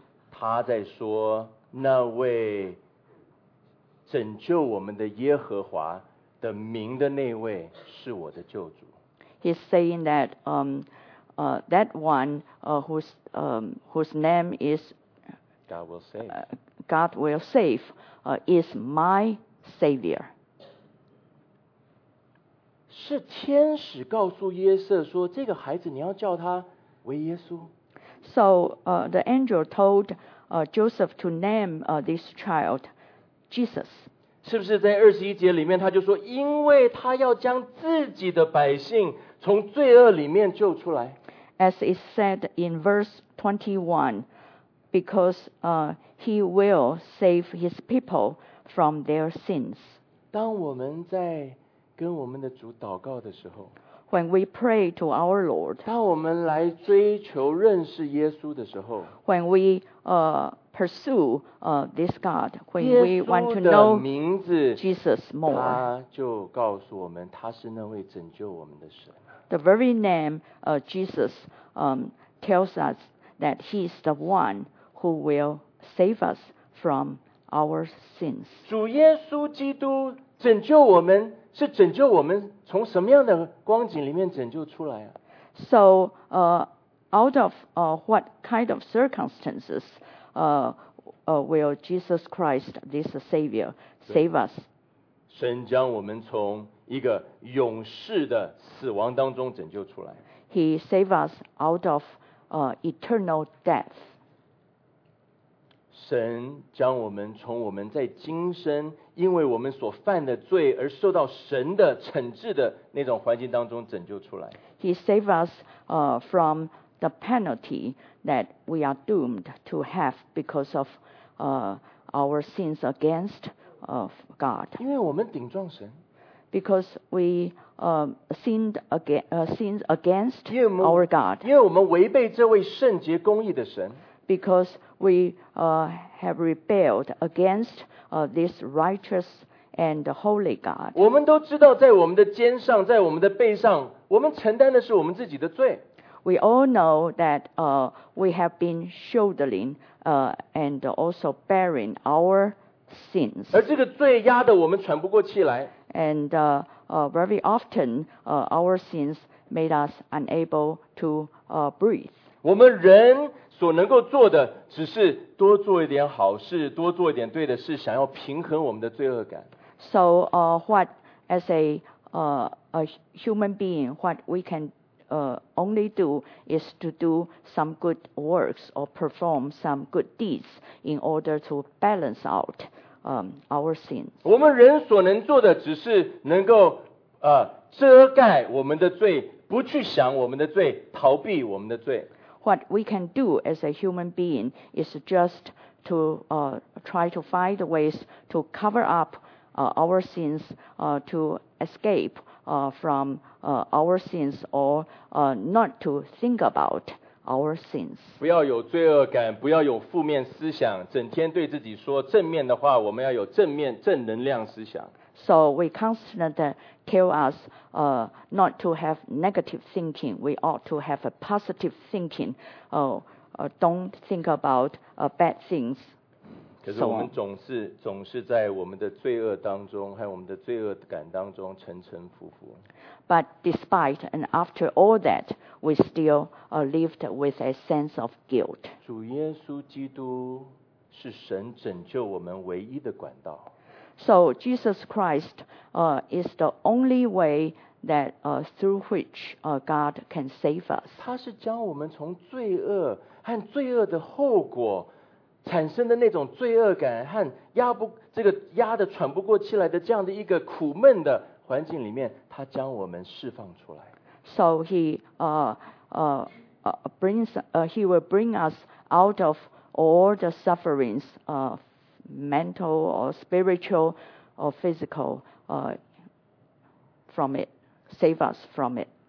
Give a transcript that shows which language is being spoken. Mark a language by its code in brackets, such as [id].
[zh] 他在说那位拯救我们的耶和华的名的那位是我的救主。 [en] He's saying that that one whose name is God will save is my savior. [zh] 是天使告诉约瑟说这个孩子你要叫他为耶稣。 [en] So the angel told Joseph to name this child Jesus. [zh] 是不是在二十一节里面他就说因为他要将自己的百姓从罪恶里面救出来。 [en] As it said in verse 21, because he will save his people from their sins. [zh] 当我们在跟我们的主祷告的时候 [en] When we pray to our Lord, [zh] 当我们来追求认识耶稣的时候 [en] When we pursue this God, when we want to know Jesus more, [zh] 他就告诉我们他是那位拯救我们的神。 [en] The very name Jesus tells us that he is the one who will save us from our sins. [zh] 主耶稣基督拯救我们是拯救我们从什么样的光景里面拯救出来啊？ [en] So, out of what kind of circumstances will Jesus Christ, this Savior, save us? [zh] 神将我们从一个永世的死亡当中拯救出来。 [en] He save us out of eternal death. [zh] 神将我们从我们在今生因为我们所犯的罪而受到神的惩治的那种环境当中拯救出来。 [en] He save us from the penalty that we are doomed to have because of our sins against God. [zh] 因为我们顶撞神。 [en] Because we sinned against our God. [zh] 因为我们违背这位圣洁公义的神。 [en] Because we have rebelled against this righteous and holy God. [zh] 我们都知道在我们的肩上在我们的背上我们承担的是我们自己的罪。 [en] We all know that we have been shouldering and also bearing our sins. [zh] 而这个罪压得我们喘不过气来。 [en] And very often our sins made us unable to breathe. [zh] 我们人所能够做的只是多做一点好事多做一点对的事想要平衡我们的罪恶感。 [en] So what as a human being, what we can only do is to do some good works or perform some good deeds in order to balance out our sins. [zh] 我们人所能做的只是能够遮盖我们的罪不去想我们的罪逃避我们的罪。 [en] What we can do as a human being is just to try to find ways to cover up our sins, to escape from our sins or not to think about our sins. [zh] 不要有罪恶感，不要有负面思想，整天对自己说正面的话，我们要有正面，正能量思想。 [en] So we constantly tell us not to have negative thinking. We ought to have a positive thinking. Don't think about bad things. [zh] 可是我们总是在我们的罪恶当中和我们的罪恶感当中沉沉浮浮。 [en] But despite and after all that, we still lived with a sense of guilt. [zh] 主耶稣基督是神拯救我们唯一的管道。 [en] So Jesus Christ is the only way that through which God can save us. [zh] 他是将我们从罪恶和罪恶的后果产生的那种罪恶感和压得喘不过气来的这样的一个苦闷的环境里面，他将我们释放出来。 [en] So he will bring us out of all the sufferings, mental or spiritual or physical, from it, save us from it.